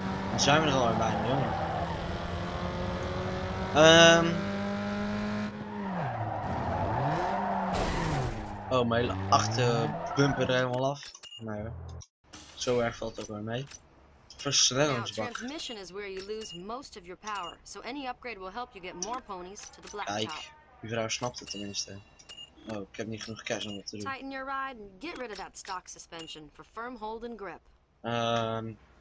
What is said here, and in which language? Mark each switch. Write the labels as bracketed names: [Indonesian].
[Dutch] Dan zijn we er al bijna, jongen. Oh, mijn hele achterbumper er helemaal af. Nee, zo erg valt ook wel mee. Versnellingsbak. [English] Transmission is where you lose most of your power, so any upgrade will help you get more ponies to the blacktop. [Dutch] Kijk, die vrouw snapt het tenminste. Oh, ik heb niet genoeg cash om dat te doen. [English] Tighten your ride and get rid of that stock suspension for firm hold and grip.